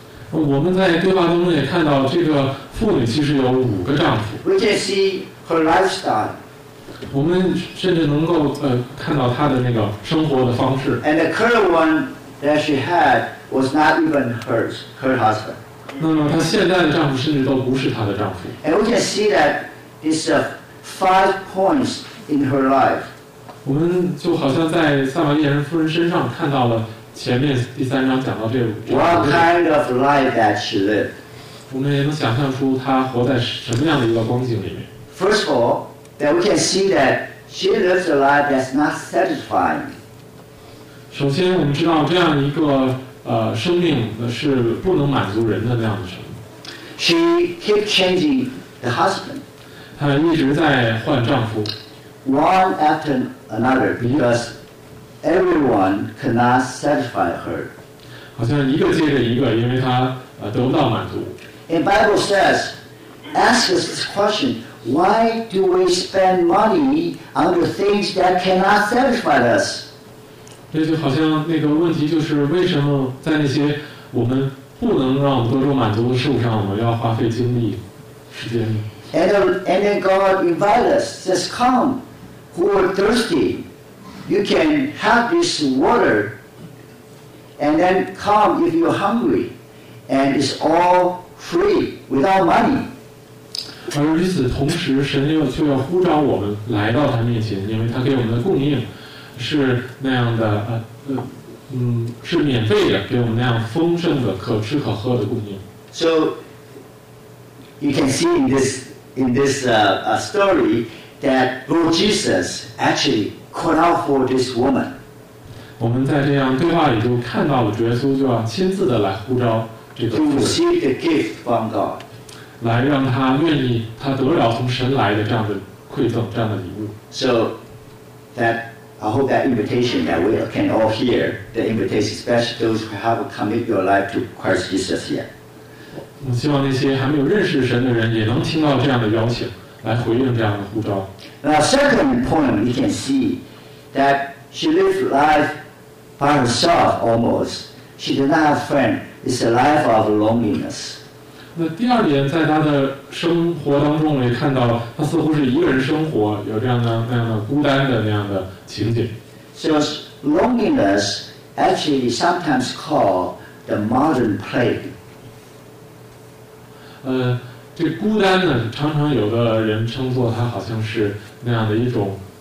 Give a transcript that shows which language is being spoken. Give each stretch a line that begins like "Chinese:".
Chinese: 我们在对话当中也看到，这个妇女其实有五个丈夫。
English: We can see her lifestyle.
Chinese: 我们甚至能够看到她的那个生活的方式。
English: And the current one that she had. Was not even her husband.
Chinese: 那么她现在的丈夫甚至都不是她的丈夫。
English: And we can see that it's a five points in her life.
Chinese: 我们就好像在撒玛利亚妇人身上看到了前面第三章讲到这个。
English: What kind of life that she lived?
Chinese: 我们也能想象出她活在什么样的一个光景里面。
English: First of all, that we can see that she lives a life that's not satisfying.
Chinese: 首先，我们知道这样一个。生命是不能满足人的那样的生命。
English: She keep changing the husband.
Chinese: 她一直在换丈夫。
English: One after another, because everyone cannot satisfy her.
Chinese: 好像一个接着一个，因为她得不到满足。
English: And Bible says, ask us this question: Why do we spend money on the things that cannot satisfy us?
Chinese: 这就好像那个问题就是为什么在那些我们不能让我们得到满足的事物上，我们要花费精力、时间呢
English: ？And then God invites us, says, "Come, who are thirsty, you can have this water and then come if you're hungry, and it's all free without money.
Chinese: 而与此同时，神又就要呼召我们来到他面前，因为他给我们的供应是那样的是免费的，给我们那样丰盛的可吃可喝的供应。
English: So you can see in this story that Lord Jesus actually called out for this woman.
Chinese: 我们在这样对话里就看到了主耶稣就要亲自的来呼召这个妇人。
English: To receive the gift from God.
Chinese: 来让他愿意，他得了从神来的这样的馈赠，这样的礼物。
English: So that I hope that invitation that we can all hear the invitation, especially those who have committed your life to Christ Jesus yet.
Chinese: 我希望那些还没有认识神的人也能听到这样的邀请，来回应这样的呼召。
English: Now, second point, we can see that she lived life by herself almost. She did not have friend. It's a life of loneliness.
Chinese: 那第二点，在他的生活当中，我也看到他似乎是一个人生活，有这样的那样的孤单的那样的情景。
English: So loneliness actually sometimes called the modern plague.
Chinese: 这孤单呢，常常有的人称作它好像是那样的一种